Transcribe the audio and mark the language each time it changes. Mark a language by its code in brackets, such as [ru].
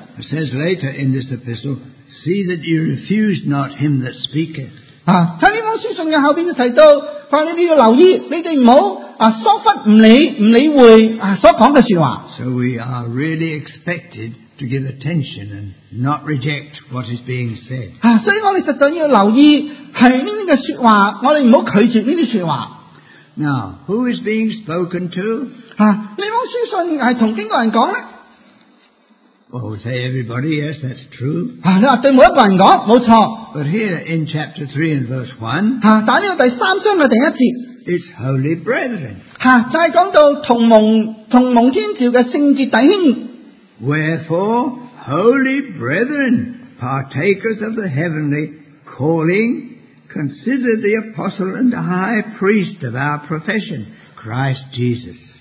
[en] It says later in this epistle, see that you refuse not him that speaketh. [zh] 在这封书信的后面就提到，你们要留意，你们不要疏忽，不理会所说的话。 [en] So we are really expected to give attention and not reject what is being said. [zh] 所以我们实在要留意，是这些说话，我们不要拒绝这些说话。 [en] Now, who is being spoken to? [zh] 这封书信是跟哪个人说呢？ [en] Well, we say everybody, yes, that's true. [zh] 你说对每一个人说，没错。 [en] But here in chapter 3 and verse 1, [zh] 但这个第三章的第一节, [en] it's holy brethren. [zh] 就是说到同蒙天召的圣洁弟兄。 [en] Wherefore, holy brethren, partakers of the heavenly calling, consider the apostle and the high priest of our profession, Christ Jesus.